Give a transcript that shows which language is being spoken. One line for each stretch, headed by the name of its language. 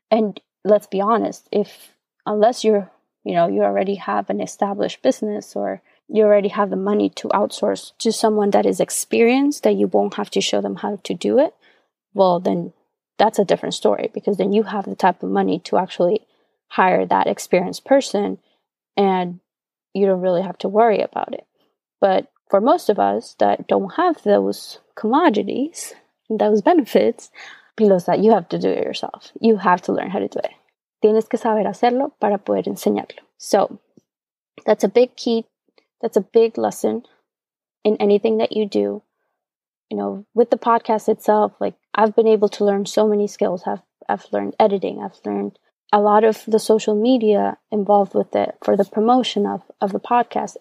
English: And let's be honest, unless you already have an established business or you already have the money to outsource to someone that is experienced, that you won't have to show them how to do it, well, then that's a different story, because then you have the type of money to actually hire that experienced person and you don't really have to worry about it. But for most of us that don't have those commodities, those benefits, Pilosa, you have to do it yourself. You have to learn how to do it.
Spanish: Tienes que saber hacerlo para poder enseñarlo.
English: So that's a big key. That's a big lesson in anything that you do. You know, with the podcast itself, like, I've been able to learn so many skills. I've learned editing. I've learned a lot of the social media involved with it for the promotion of the podcast.